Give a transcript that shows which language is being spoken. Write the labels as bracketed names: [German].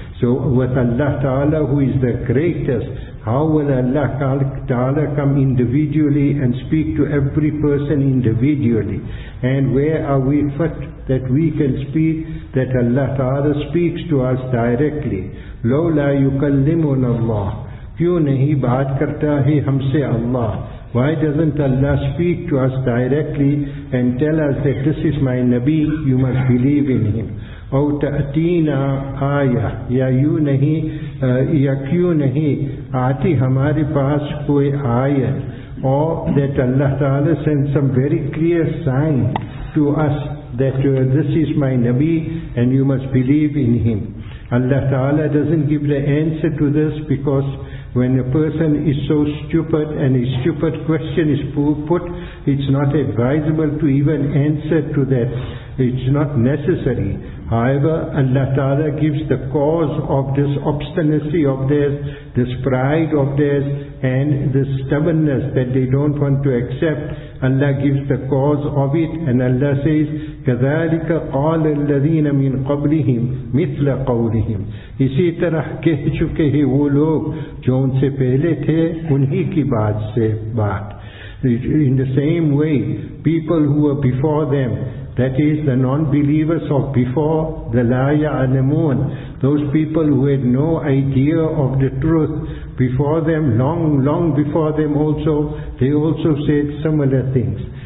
[English] So with Allah Ta'ala, who is the greatest, how will Allah Ta'ala come individually and speak to every person individually? And where are we fit that we can speak, that Allah Ta'ala speaks to us directly? [Arabic] لَوْلَا يُكَلِّمُنَ اللَّهُ [Urdu] کیوں نہیں بات کرتا ہے ہم سے اللہ. [English] Why doesn't Allah speak to us directly and tell us that this is my Nabi, you must believe in him. [Arabic] او تأتینا [Urdu] آیا یا یوں نہیں یا کیوں نہیں آتی ہمارے پاس کوئی آیت. [English] Or that Allah Ta'ala sends some very clear sign to us that this is my Nabi and you must believe in him. Allah Ta'ala doesn't give the answer to this, because when a person is so stupid and a stupid question is put, it's not advisable to even answer to that. It's not necessary. However, Allah Ta'ala gives the cause of this obstinacy of theirs, this pride of theirs, and this stubbornness that they don't want to accept. Allah gives the cause of it, and Allah says, [Arabic] كَذَلِكَ قَالَ الَّذِينَ مِنْ قَبْلِهِمْ مِثْلَ قَوْلِهِمْ. [Urdu] اسی طرح کہہ چکے ہیں وہ لوگ جو ان سے پہلے تھے انہی کی بات سے بات. [English] In the same way, people who were before them, that is the non-believers of before, the لا يعلمون, those people who had no idea of the truth, before them, long before them also, they also said similar things.